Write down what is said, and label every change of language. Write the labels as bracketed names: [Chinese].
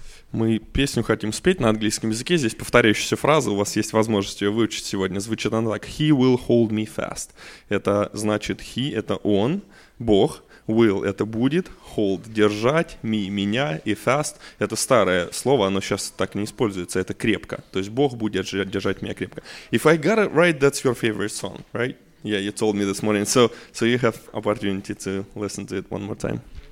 [Russian] Мы песню хотим спеть на английском языке. Здесь повторяющаяся фраза, у вас есть возможность ее выучить сегодня. Звучит она так: [English] He will hold me fast. [Russian] Это значит he, это он, Бог. Will — это будет, hold — держать, me — меня, и fast — это старое слово, оно сейчас так не используется, это крепко. То есть Бог будет держать меня крепко. [English] If I got it right, that's your favorite song, right? Yeah, you told me this morning. So you have opportunity to listen to it one more time.